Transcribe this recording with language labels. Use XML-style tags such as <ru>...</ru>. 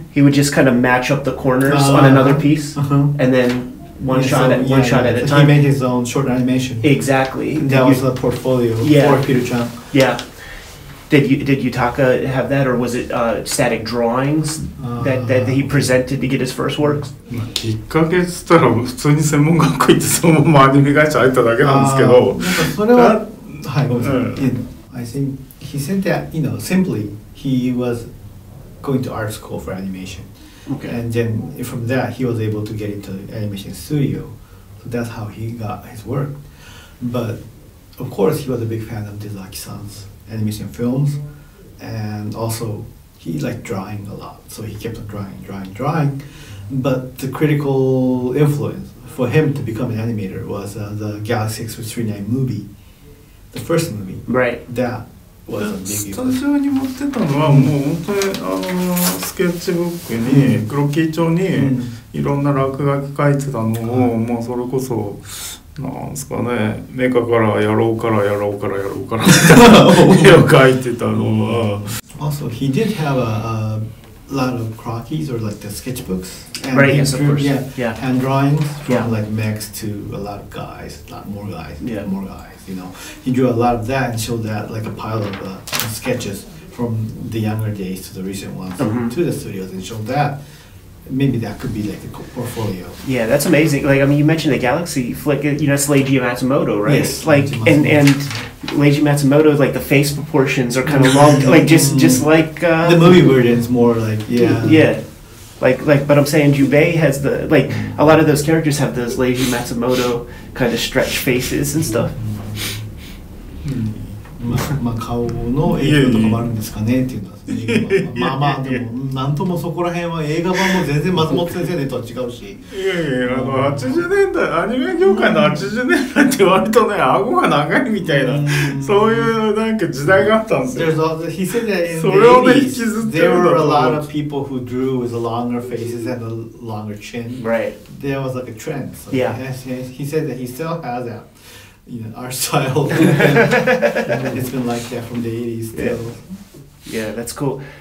<en>He would just kind of match up the corners on another piece, and then one shot at a time. He made his own short animation. Exactly. That was the portfolio for Peter Chung. Yeah. Did Yutaka have that, or was it static drawings that he presented to get his first works?</en> <ja>きっかけっつったら普通に専門学校行ってそのままアニメ会社入っただけなんですけど。それは、はい、</ja> <en>I think he said that, you know, simply he was going to art school for animation. Okay. And then from that, he was able to get into the animation studio. So that's how he got his work. But of course, he was a big fan of Dezaki-san's animation films. And also, he liked drawing a lot. So he kept on drawing. But the critical influence for him to become an animator was the Galaxy 639 movie. The first movie. Right. That was a big deal.</en> <ja>スタジオに持ってたのは、もう本当にスケッチブックに、クロッキー帳にいろんな落書き書いてたのを、もうそれこそ、なんすかね、メカからやろうからやろうからやろうからみたいな絵を描いてたのは。</ja> <en>Also, he did have a lot of croquis or like the sketchbooks. And right, yes, drew, of course. Yeah. Hand drawings from like Max to a lot of guys, a lot more guys. You know, he drew a lot of that and showed that like a pile of sketches from the younger days to the recent ones to the studios and showed that maybe that could be like the portfolio. Yeah, that's amazing. Like, I mean, you mentioned the Galaxy flick, you know, it's Leiji Matsumoto, right? Yes, like and Leiji Matsumoto, like the face proportions are kind of long, like just like the movie version is more like Like, but I'm saying Jubei has the, like, a lot of those characters have those Leiji Matsumoto kind of stretch faces and stuff.</en> <ja>まあ、まあ、顔の影響とかもあるんですかねっていうのは、まあまあ、でも、なんともそこら辺は映画版も全然松本先生とは違うし。いやいや、あの、80年代、アニメ業界の80年代って割とね、顎が長いみたいな、そういうなんか時代があったんですよ。</ja> <en>He said that in</en> <ja>それをね、引きずってる。</ja> <en>There were a lot of people who drew with longer faces and a longer chin. Right. There was like a trend. So yeah. He said that he still has that. You know, our style. It's been like that from the 80s still. Yeah, that's cool.</en>